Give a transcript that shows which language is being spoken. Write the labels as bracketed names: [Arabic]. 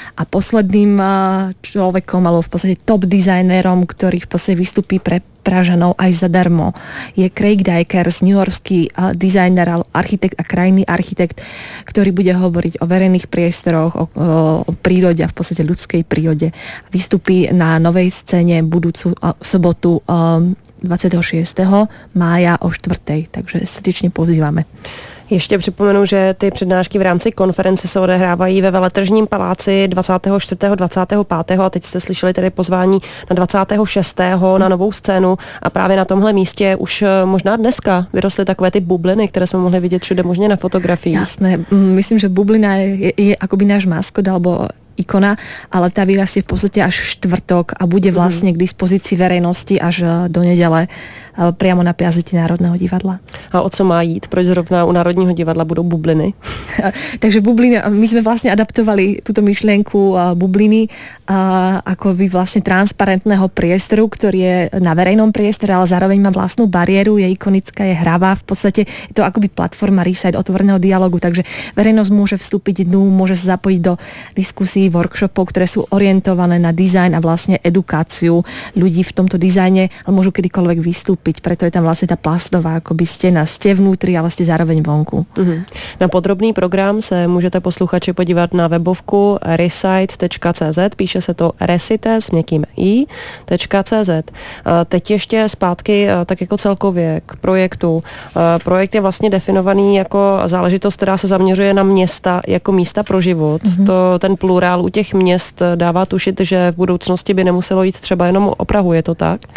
[Slovak] A posledným človekom, alebo v podstate top dizajnerom, ktorý v podstate vystupí pre Pražanov aj zadarmo, je Craig Dykers, newyorský dizajner, architekt a krajinný architekt, ktorý bude hovoriť o verejných priestoroch, o prírode a v podstate ľudskej prírode. Vystupí na novej scéne budúcu sobotu 26. mája o 4. Takže srdečne pozývame. [Czech] Ještě připomenu, že ty přednášky v rámci konference se odehrávají ve Veletržním paláci 24. 25. a teď jste slyšeli tedy pozvání na 26. na novou scénu a právě na tomhle místě už možná dneska vyrostly takové ty bubliny, které jsme mohli vidět všude možně na fotografii. [Slovak] Jasné, myslím, že bublina je akoby náš maskot alebo ikona, ale tá vyrastie v podstate až štvrtok a bude vlastne k dispozícii verejnosti až do nedele priamo na piazete Národného divadla. [Czech] A o co má jít? Proč zrovna u Národního divadla budú bubliny? [Slovak] Takže bubliny, my sme vlastne adaptovali túto myšlienku bubliny ako by vlastne transparentného priestoru, ktorý je na verejnom priestore, ale zároveň má vlastnú bariéru, je ikonická, je hravá, v podstate je to akoby platforma Reside otvoreného dialogu, takže verejnosť môže vstúpiť dnu, môže sa zapojiť do diskusií, workshopov, ktoré sú orientované na dizajn a vlastne edukáciu ľudí v tomto dizajne, ale môžu kedykoľvek vystúpiť, preto je tam vlastne tá plastová akoby stena, ste vnútri, ale ste zároveň vonku. Na podrobný program sa môžete posluchači podívať na webovku reside.cz. [Czech] Píše se to resite s měkým i.cz. Teď ještě zpátky tak jako celkově k projektu. Projekt je vlastně definovaný jako záležitost, která se zaměřuje na města jako místa pro život. Mm-hmm. To, ten plurál u těch měst dává tušit, že v budoucnosti by nemuselo jít třeba jenom o Prahu, je to tak?